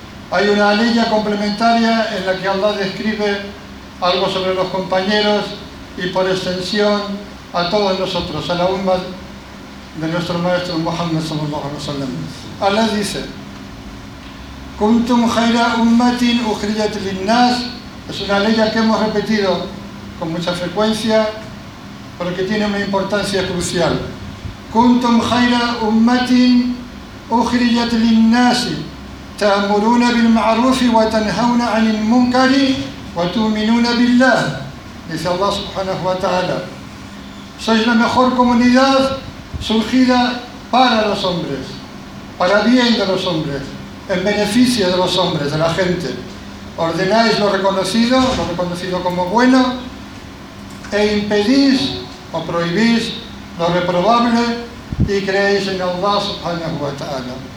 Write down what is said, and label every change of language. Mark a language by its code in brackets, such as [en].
[es] Hay una ley complementaria en la que Allah describe algo sobre los compañeros y por extensión a todos nosotros, a la umma de nuestro maestro Muhammad sallallahu alaihi wasallam. [ar] Allah dice: "Kuntum khayra ummatin ukhrijat lin-nas". [es] Es una ley que hemos repetido con mucha frecuencia, pero que tiene una importancia crucial. [ar] Kuntum khayra ummatin ukhrijat lin-nas. تأمرون بالمعروف وتنهون عن المنكر وتؤمنون بالله. [es] Dice Allah subhanahu wa ta'ala: sois la mejor comunidad surgida para los hombres, para bien de los hombres, en beneficio de los hombres, de la gente. Ordenáis lo reconocido como bueno, e impedís o prohibís lo reprobable y creéis en Allah subhanahu wa ta'ala.